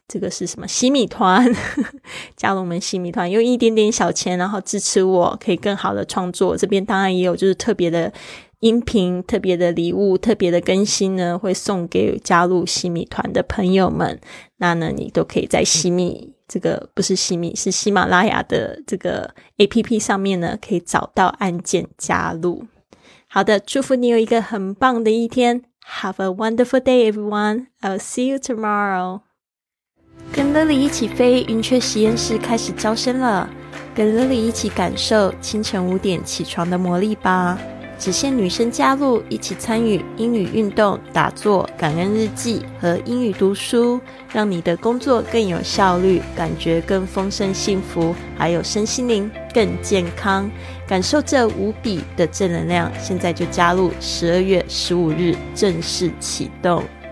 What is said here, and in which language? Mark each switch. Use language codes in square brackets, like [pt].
[zh] 是什么西米团加入我们西米团，用一点点小钱然后支持我可以更好的创作，这边当然也有就是特别的音频，特别的礼物，特别的更新呢会送给加入西米团的朋友们，那呢你都可以在西米这个不是西米是喜马拉雅的这个 APP 上面呢可以找到按键加入。好的，祝福你有一个很棒的一天， [en] Have a wonderful day everyone, I'll see you tomorrow。 [zh] 跟 Lily 一起飞，云雀实验室开始招生了，跟 Lily 一起感受清晨五点起床的魔力吧，只限女生加入，一起参与英语运动、打坐、感恩日记和英语读书，让你的工作更有效率，感觉更丰盛幸福，还有身心灵更健康，感受这无比的正能量，现在就加入12月15日正式启动。